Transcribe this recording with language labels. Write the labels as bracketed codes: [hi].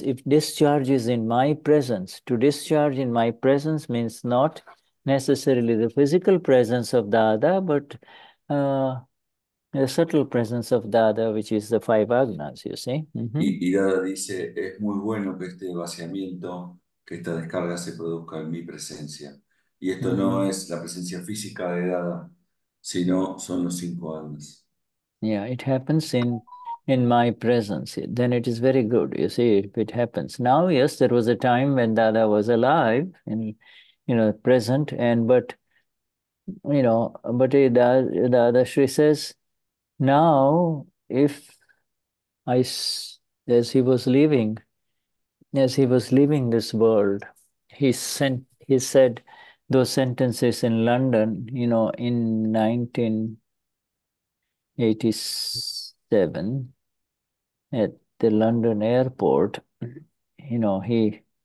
[en] If discharge is in my presence, to discharge in my presence means not necessarily the physical presence of Dada, but The subtle presence of Dada, which is the five agnas, you see. [es] Y Dada dice, es muy bueno que este vaciamiento, que esta descarga se produzca en mi presencia. Y esto no es la presencia física de Dada, sino son los cinco agnas. [en] Yeah, it happens in my presence. Then it is very good, you see, if it happens. Now, yes, there was a time when Dada was alive, and, you know, present, and but, you know, but Dadashri says, now, if I, as he was leaving this world, he said those sentences in London, you know, in 1987 at the London airport, you know, he